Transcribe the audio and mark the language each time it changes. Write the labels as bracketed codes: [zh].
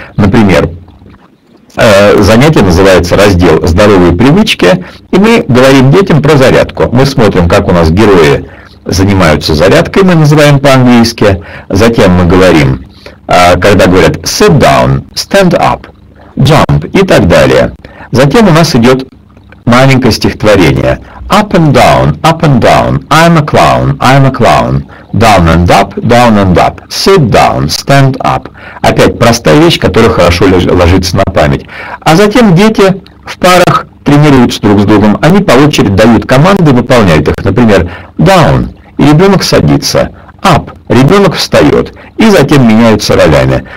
[ru] Например, занятие называется раздел «Здоровые привычки», и мы говорим детям про зарядку. Мы смотрим, как у нас герои занимаются зарядкой, мы называем по-английски. Затем мы говорим, когда говорят [en] «sit down», «stand up», [ru] «jump» и так далее. Затем у нас идет маленькое стихотворение. [en] «Up and down, up and down, I'm a clown, I'm a clown». Down and up, sit down, stand up. [ru] Опять простая вещь, которая хорошо ложится на память. А затем дети в парах тренируются друг с другом. Они по очереди дают команды и выполняют их. Например, down, и ребенок садится. Up, ребенок встает. И затем меняются ролями.